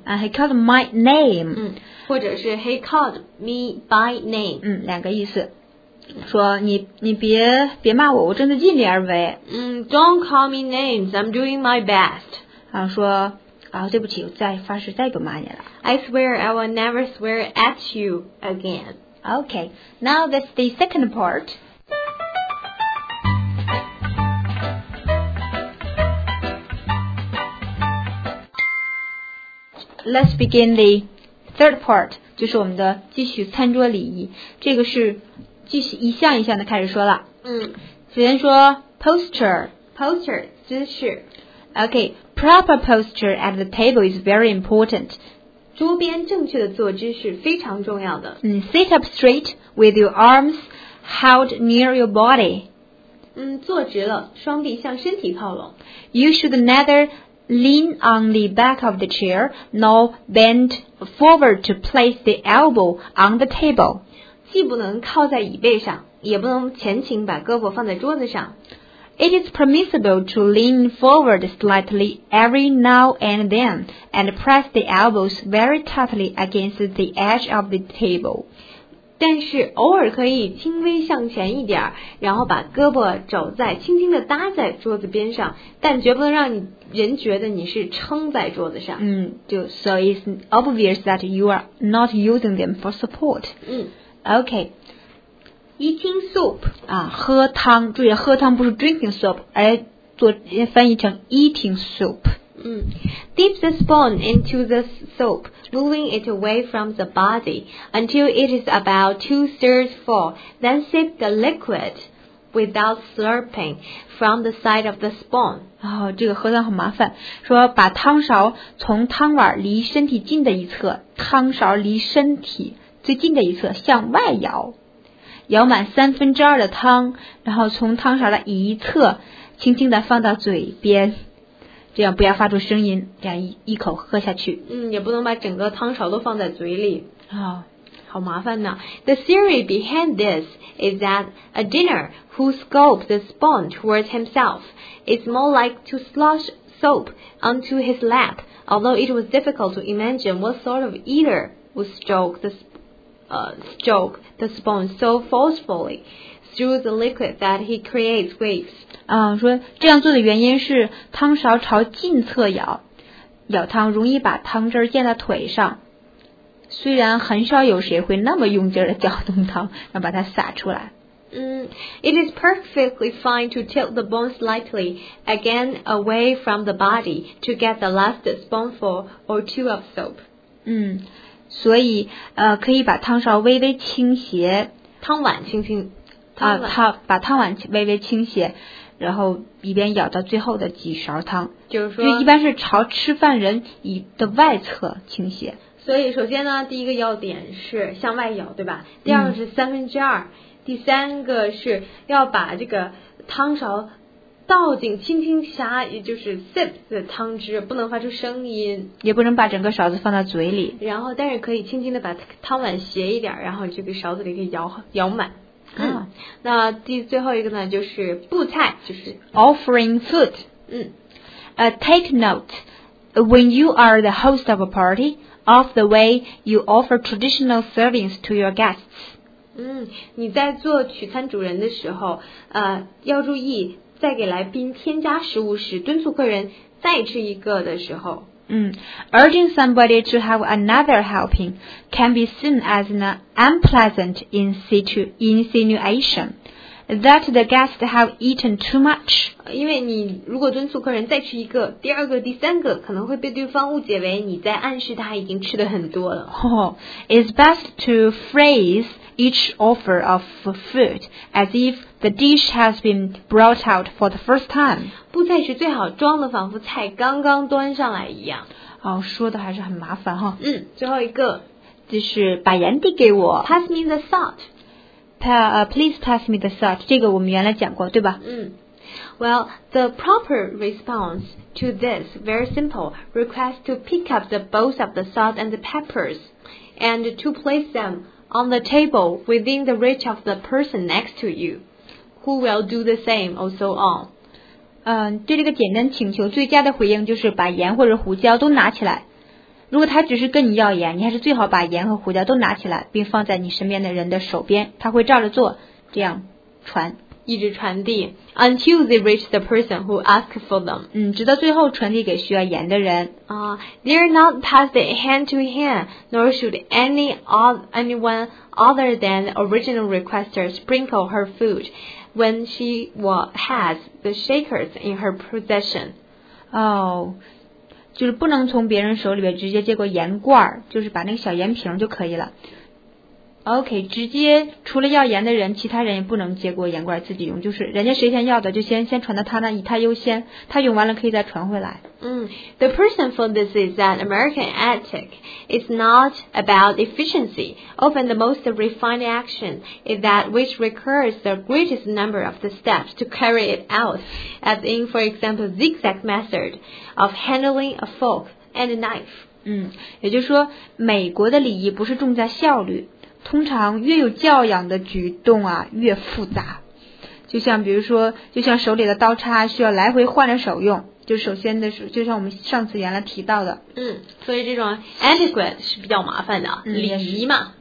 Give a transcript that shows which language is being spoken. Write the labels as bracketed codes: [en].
[en] he called my name、 [zh] 或者是 [en] he called me by name， [zh] 两个意思。说你别骂我，我正在尽力而为。 [en] Don't call me names. I'm doing my best. [zh] 然后说啊，对不起，我再发誓再不骂你了。 [en] I swear I will never swear at you again. Okay. Now that's the second part. Let's begin the third part, [zh] 就是我们的继续餐桌礼仪。这个是继续一项一项的开始说了。首先说 posture, 姿势。 [en] Okay, proper posture at the table is very important. [zh] 桌边正确的坐姿是非常重要的。 [en] Sit up straight with your arms held near your body. [zh] 坐直了，双臂向身体靠拢。 [en] You should neither... Lean on the back of the chair, nor bend forward to place the elbow on the table. [zh] 既不能靠在椅背上，也不能前倾把胳膊放在桌子上。 [en] It is permissible to lean forward slightly every now and then, and press the elbows very tightly against the edge of the table. [zh] 但是偶尔可以轻微向前一点，然后把胳膊肘在轻轻地搭在桌子边上，但绝不能让你人觉得你是撑在桌子上。 [en] So it's obvious that you are not using them for support. Okay. Eating soup. [zh] 喝汤，注意喝汤不是 [en] drinking soup, [zh] 而做翻译成 [en] eating soup. Dip the spoon into the soup, moving it away from the body until it is about 2/3 full. Then sip the liquid. Without slurping from the side of the spoon. [zh] 这个喝汤很麻烦。说把汤勺从汤碗离身体近的一侧，汤勺离身体最近的一侧向外摇，摇满三分之二的汤，然后从汤勺的一侧轻轻地放到嘴边，这样不要发出声音，这样一口喝下去。也不能把整个汤勺都放在嘴里。好麻烦呢。 The theory behind this is that a dinner who scoops the spoon towards himself is more like to slosh soap onto his lap, although it was difficult to imagine what sort of eater would stroke the spoon so forcefully through the liquid that he creates waves. 说这样做的原因是汤勺朝近侧舀，舀汤容易把汤汁溅到腿上。虽然很少有谁会那么用劲的搅动汤，然后把它洒出来。 It is perfectly fine to tilt the bone slightly again away from the body to get the last spoonful or two of soap. 所以可以把汤勺微微倾斜，汤碗轻轻把汤碗微微倾斜，然后一边舀到最后的几勺汤，就是说就一般是朝吃饭人以的外侧倾斜。所以首先呢，第一个要点是向外舀，对吧？第二个是三分之二，第三个是要把这个汤勺倒进，轻轻呷，也就是 sip 的汤汁，不能发出声音，也不能把整个勺子放到嘴里。然后但是可以轻轻的把汤碗斜一点，然后这个勺子里可以舀满。那最后一个呢，就是布菜，就是 [en] offering food. Take note, when you are the host of a party,of the way you offer traditional servings to your guests. [zh] 你在做取餐主人的时候，要注意在给来宾添加食物时敦促客人再吃一个的时候。 [en] Urging somebody to have another helping can be seen as an unpleasant insinuation that the guests have eaten too much. [zh] 因为你如果敦促客人再吃一个，第二个、第三个，可能会被对方误解为你在暗示他已经吃得很多了。 [en] It's best to phrase each offer of food as if the dish has been brought out for the first time. [zh] 布菜是最好装的仿佛菜刚刚端上来一样。说的还是很麻烦哈。最后一个。就是把盐递给我。 [en] Pass me the salt. Please pass me the salt. [zh] 这个我们原来讲过，对吧？ [en] Well, the proper response to this, very simple, request to pick up the both of the salt and the peppers and to place them on the table within the reach of the person next to you, who will do the same or so on. [zh] 对这个简单请求最佳的回应就是把盐或者胡椒都拿起来。如果他只是跟你要盐，你还是最好把盐和胡椒都拿起来并放在你身边的人的手边，他会照着做，这样传，一直传递 [en] until they reach the person who asked for them. [zh] 嗯，直到最后传递给需要盐的人。 [en] They are not passed hand to hand, nor should anyone other than the original requester sprinkle her food when she has the shakers in her possession. [zh] 哦，就是不能从别人手里边直接接过盐罐，就是把那个小盐瓶就可以了。 OK, 直接除了要盐的人其他人也不能接过盐罐自己用，就是人家谁先要的就先传到他那，以他优先，他用完了可以再传回来。 [en] The person for this is that American ethic is not about efficiency. Often the most refined action is that which requires the greatest number of the steps to carry it out, as in, for example, zigzag method of handling a fork and a knife. [zh] 嗯，也就是说美国的礼仪不是重在效率，通常越有教养的举动啊越复杂，就像比如说就像手里的刀叉需要来回换着手用，就首先的是就像我们上次原来提到的，所以这种 etiquette 是比较麻烦的，礼仪嘛，